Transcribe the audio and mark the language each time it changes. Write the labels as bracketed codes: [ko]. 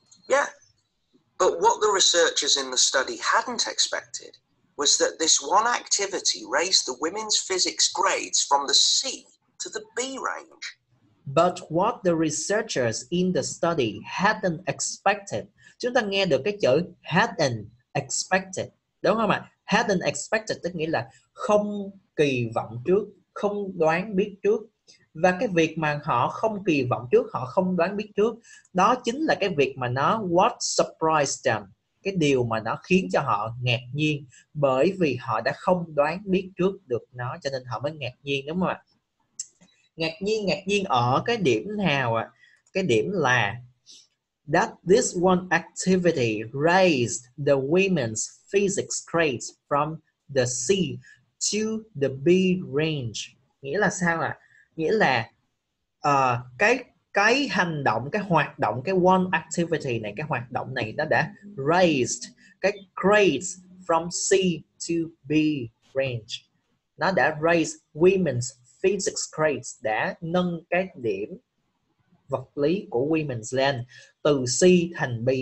[en] Yeah, but what the researchers in the study hadn't expected was that this one activity raised the women's physics grades from the C to the B range. But what the researchers in the study hadn't expected. [vi] Chúng ta nghe được cái chữ hadn't expected, đúng không ạ? Hadn't expected tức nghĩa là không kỳ vọng trước, không đoán biết trước. Và cái việc mà họ không kỳ vọng trước, họ không đoán biết trước, đó chính là cái việc mà nó what surprised them, cái điều mà nó khiến cho họ ngạc nhiên, bởi vì họ đã không đoán biết trước được nó cho nên họ mới ngạc nhiên, đúng không ạ? Ngạc nhiên ở cái điểm nào ạ? [en] Cái điểm là that this one activity raised the women's physics grades from the C to the B range. [vi] Nghĩa là sao ạ? Nghĩa là cái hành động, cái hoạt động, cái one activity này, cái hoạt động này nó đã raised cái grades from C to B range. Nó đã raised women's physics grades, đã nâng các điểm vật lý của women's land từ C thành B.